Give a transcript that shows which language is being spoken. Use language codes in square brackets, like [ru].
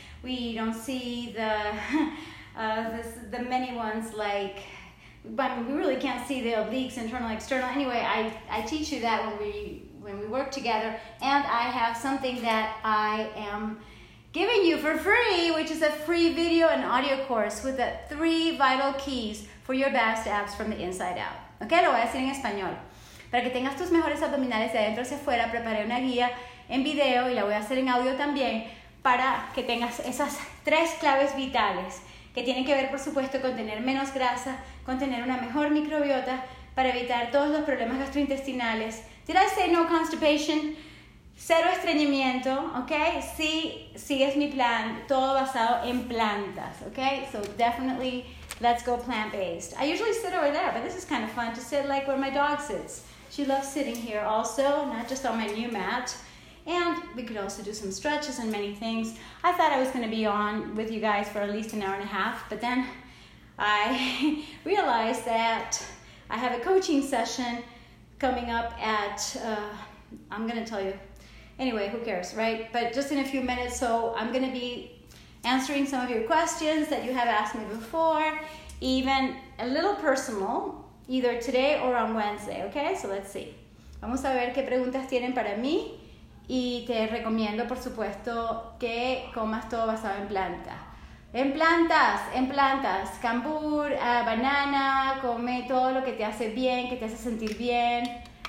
[en] We don't see the many ones like, but we really can't see the obliques, internal, external. Anyway, I teach you that when we work together, and I have something that I am giving you for free, which is a free video and audio course with the 3 vital keys for your best abs from the inside out. [es] Okay, lo voy a decir en español. Para que tengas tus mejores abdominales de adentro hacia afuera, preparé una guía en video y la voy a hacer en audio también, para que tengas esas 3 claves vitales que tienen que ver, por supuesto, con tener menos grasa, con tener una mejor microbiota para evitar todos los problemas gastrointestinales. [en] Did I say no constipation? [es] Cero estreñimiento, ¿ok? Sí, sí es mi plan, todo basado en plantas, ¿ok? [en] So definitely, let's go plant-based. I usually sit over there, but this is kind of fun to sit like where my dog sits. She loves sitting here also, not just on my new mat. And we could also do some stretches and many things. I thought I was going to be on with you guys for at least an hour and a half, but then I realized that I have a coaching session coming up at, I'm going to tell you, anyway, who cares, right? But just in a few minutes, so I'm going to be answering some of your questions that you have asked me before, even a little personal, either today or on Wednesday, okay? So let's see. [es] Vamos a ver qué preguntas tienen para mí. Y te recomiendo, por supuesto, que comas todo basado en plantas. En plantas. Cambur, banana, come todo lo que te hace bien, que te hace sentir bien.